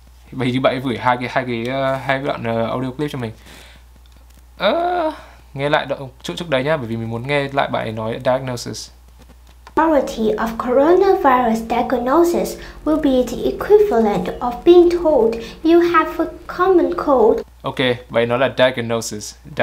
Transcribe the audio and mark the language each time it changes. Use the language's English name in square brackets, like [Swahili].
[Vietnamese] Bởi vì bạn ấy gửi hai cái đoạn audio clip cho mình. Nghe lại đoạn trước đấy nhá, bởi vì mình muốn nghe lại bạn ấy nói diagnosis. [English] Majority of coronavirus diagnosis will be the equivalent of being told you have a common cold. [Vietnamese] Okay, vậy nó là diagnosis.